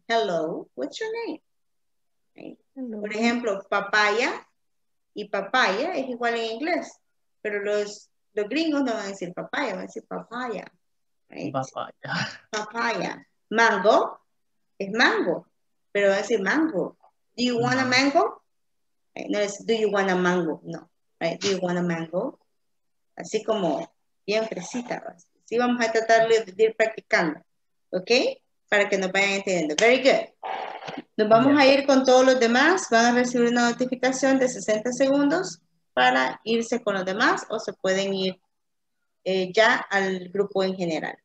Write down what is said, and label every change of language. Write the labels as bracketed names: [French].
[English] Hello, what's your name? Hello. [Spanish] Por ejemplo, papaya y papaya es igual en inglés, pero los gringos no van a decir papaya, van a decir papaya. [English] Right? [Spanish] Papaya. Mango es mango, pero van a decir mango. [English] Do you want a mango? [Spanish] Right? No es [English] do you want a mango, [Spanish] no. [English] Right? Do you want a mango? [Spanish] Así como bien fresita. Sí, vamos a tratar de ir practicando, ¿ok? Para que nos vayan entendiendo. Very good. Nos vamos a ir con todos los demás. Van a recibir una notificación de 60 segundos para irse con los demás o se pueden ir ya al grupo en general.